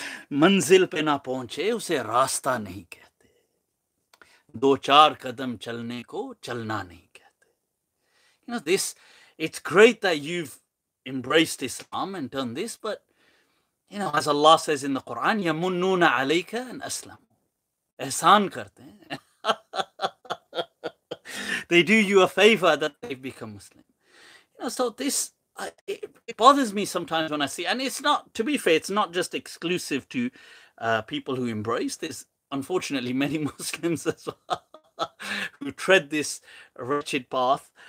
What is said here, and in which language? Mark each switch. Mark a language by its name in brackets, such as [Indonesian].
[Urdu] منزل پہ نہ پہنچے، اسے رستہ نہیں کہتے۔ دو چار قدم چلنے کو چلنا نہیں کہتے۔ [English] You know, this, it's great that you've embraced Islam and done this, but, you know, as Allah says in the Quran, [Arabic] yamununa alayka an aslam. [Urdu] احسان کرتے۔ [English] They do you a favor that they've become Muslim. You know, so this, it bothers me sometimes when I see, and it's not, to be fair, it's not just exclusive to people who embrace this. Unfortunately, many Muslims as well who tread this wretched path.